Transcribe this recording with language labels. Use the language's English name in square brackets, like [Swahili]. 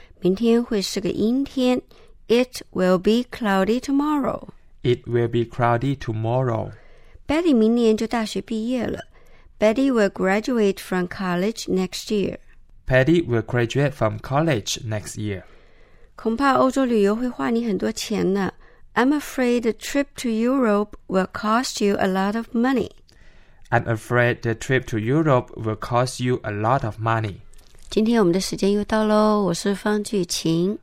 [Chinese] 明天会是个阴天。 [English] It will be cloudy tomorrow. It will be cloudy tomorrow. [Chinese] Betty 明年就大学毕业了。 [English] Betty will graduate from college next year. Betty will graduate from college next year. [Chinese] 恐怕欧洲旅游会花你很多钱呢。 [English] I'm afraid the trip to Europe will cost you a lot of money. I'm afraid the trip to Europe will cost you a lot of money. [Chinese] 今天我们的时间又到咯，我是方巨晴。